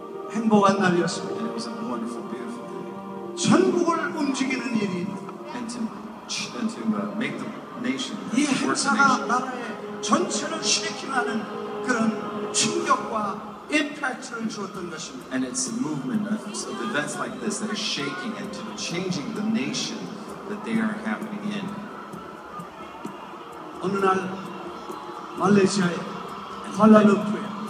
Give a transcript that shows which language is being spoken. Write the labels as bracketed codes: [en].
[ko] 행복한 날이었습니다. [en] And it was a wonderful, beautiful day. [ko] 전국을 움직이는 일이 [en] and to make the nation work the nation. [ko] 전체를 쉐이킹하는 그런 충격과 임팩트를 주었던 것입니다. [en] And it's a movement of events like this that are shaking and changing the nation that they are happening in. [ko] 어느 날 말레이시아의 쿠알라룸푸르에